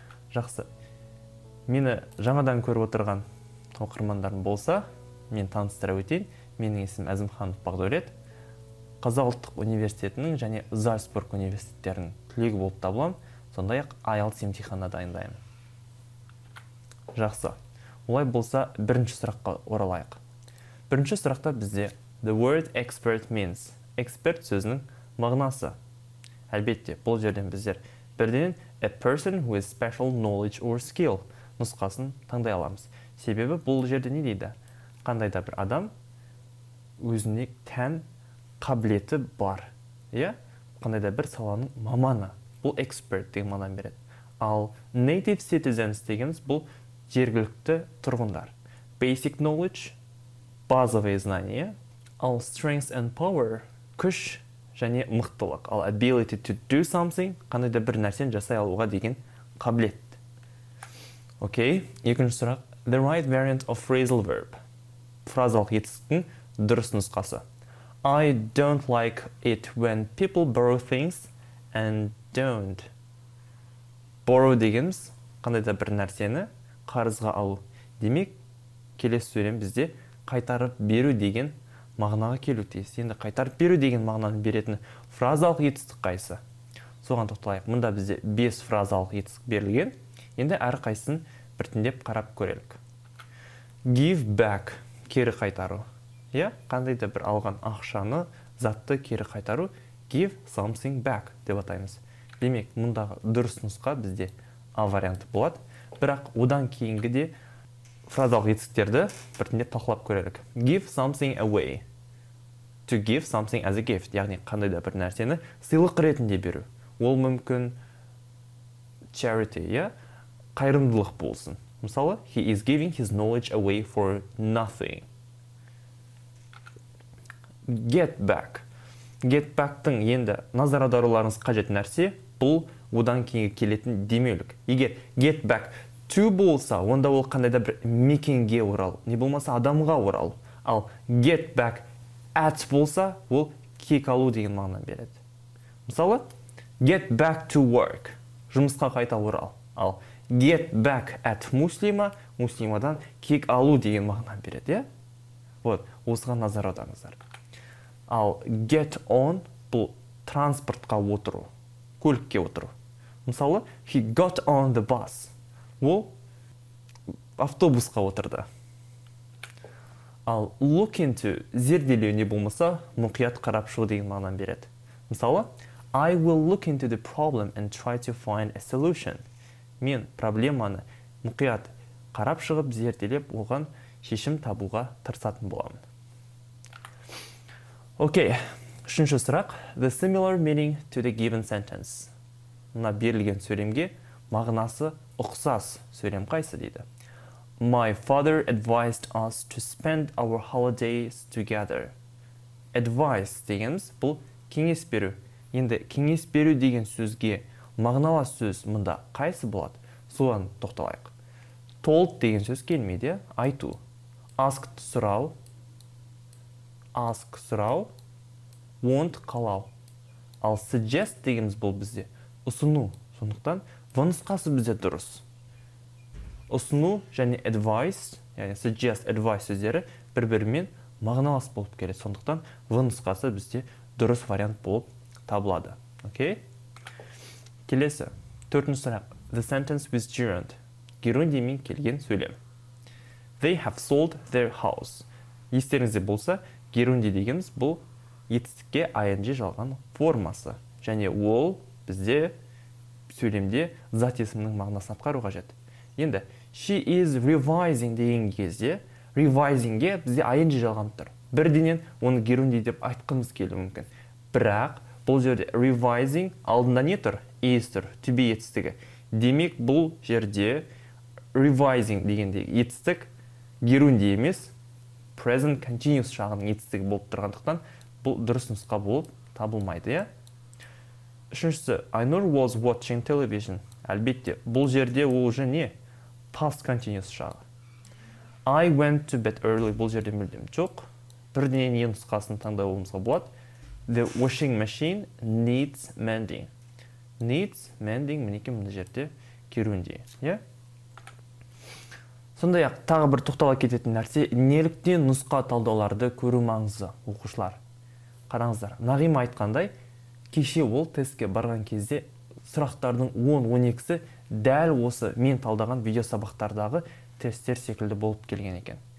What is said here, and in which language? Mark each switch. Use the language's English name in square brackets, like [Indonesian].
[Kazakh] Жақсы, мені жаңадан көріп отырған оқырмандарым болса, мен таныстыра өтейін. Менің есім Әзімханов Бағдаулет. Қазақ ұлттық университетінің және Зальцбург университеттерінің түлегі болып табылам. Сондай-ақ IELTS емтиханына дайындаймын. Жақсы. Олай болса, бірінші сұраққа оралайық. Бірінші сұрақта бізде [English] the word expert means. [Kazakh] Эксперт сөзінің мағынасы. Әлбетте, бұл жерден біздер бірден [English] a person with special knowledge or skill [Kazakh] нұсқасын таңдай аламыз. Себебі бұл жерде не дейді? Қандай да бір адам өзіне тән қабілеті бар. Иә? Қандай да бір саланың маманы. Бұл expert деген мағынаны береді. Ал native citizens дегеніміз бұл жергілікті тұрғындар. [English] Basic knowledge – [Russian] базовые знания. [Kazakh] Ал [English] strength and power – [Kazakh] күш және мықтылық. Ал [English] ability to do something [Kazakh] – қандай да бір нәрсен жасай алуға деген қабілет. Окей, екінші сұрақ. [English] The right variant of phrasal verb. [Kazakh] Фразалық етістіктің дұрыс нұсқасы. [English] I don't like it when people borrow things and don't. [Kazakh] Borrow дегеніміз қандай да бір нәрсені қарызға алу. Демек, келесі сөйлем бізде қайтарып беру деген мағынаға келу тиіс. Енді қайтарып беру деген мағынаны беретін фразалық етістік қайсы? Соған тоқталайық. Мұнда бізде 5 фразалық етістік берілген. Енді әр қайсын біртіндеп қарап көрелік. [English] Give back [Kazakh] – кері қайтару. Иә, қандай да бір алған ақшаны, затты кері қайтару. [English] Give something back [Kazakh] деп атаймыз. Демек, мұндағы дұрыс нұсқа бізде A варианты болады. Бірақ одан кейінгі де фразалық етістіктерді біртіндеп талқылап көрелік. [English] Give something away. To give something as a gift. [Kazakh] Яғни қандай да бір нәрсені сыйлық ретінде беру. Ол мүмкін charity, иә? Қайырымдылық болсын. Мысалы, [English] he is giving his knowledge away for nothing. Get back. [Kazakh] Get back-тың енді назар аударуларыңыз қажет нәрсе, бұл одан кейінгі келетін демеулік. Егер [English] get back to [Kazakh] болса, онда ол қандай да бір мекенге орал, не болмаса адамға орал. Ал [English] get back at [Kazakh] болса, ол кек алу деген мағына береді. Мысалы, [English] get back to work. [Kazakh] Жұмысқа қайта орал. Ал [English] get back at [Kazakh] Муслима, Муслимадан кек алу деген мағына береді. [Russian] Вот, [Kazakh] осыған назар аударыңыздар. Ал [English] get on, [Kazakh] бұл транспортқа отыру, көлікке отыру. Мысалы, [English] he got on the bus. [Kazakh] Ол автобусқа отырды. Ал look into зерделеу не болмаса, мұқият қарап шығу деген мағынаны береді. Мысалы, [English] I will look into the problem and try to find a solution. [Kazakh] Мен проблеманы мұқият қарап шығып, зерделеп, оған шешім табуға тырысатын боламын. Окей, үшінші сұрақ. [English] The similar meaning to the given sentence. [Kazakh] Мына берілген сөйлемге мағынасы ұқсас сөйлем қайсы дейді. [English] My father advised us to spend our holidays together. [Kazakh] Advice дегеніміз бұл кеңес беру. Енді кеңес беру деген сөзге мағыналас сөз мұнда қайсы болады? Соған тоқталайық. Told деген сөз келмейді, айту. Asked сұрау. Ask сұрау. Want қалау. Ал suggest дегеніміз бұл бізде ұсыну. Сондықтан нұсқасы бізде дұрыс. Ұсыну және advice, яғни suggest, advice сөздері бір-бірімен мағыналас болып келеді. Сондықтан нұсқасы бізде дұрыс вариант болып табылады. Окей? Келесі. Төртінші сұрақ. [English] The sentence with gerund. [Kazakh] Герундимен келген сөйлем. [English] They have sold their house. [Kazakh] Естеріңізде болса, герунди дегеніміз бұл етістікке ing жалған формасы. Және ол бізде сөйлемде зат есімінің мағынасын атқару қажет. Енді, [English] She is revising [Kazakh] деген кезде, revising-ге бізде ing жалған тұр. Бірденен оны герунди деп айтқымыз келу мүмкін. Бірақ бұл жерде revising алдында не тұр? Is тұр, to be етістігі. Демек бұл жерде revising дегенде етістік герунди емес, present continuous шағының етістігі болып тұрғандықтан бұл дұрыс нұсқа болып табылмайды, е? Үшіншісі, [English] Айнур was watching television. [Kazakh] Әлбетте, бұл жерде ол жа не? [English] Past continuous [Kazakh] шағы. [English] I went to bed early. [Kazakh] Бұл жерде мүлдем жоқ. Бірден ең нұсқасын таңдай олымызға болады. [English] The washing machine needs mending. Needs mending, [Kazakh] мінекен мұны жерде керуінде. Сонда яқы тағы бір тоқтала кететін нәрсе, неліктен нұсқа талдауларды көру маңызы оқушылар. Қараңыздар, Нағим айтқандай, кеше ол тестке барған кезде сұрақтардың 10-12-сі дәл осы мен талдаған видео сабақтардағы тесттер секілді болып келген екен.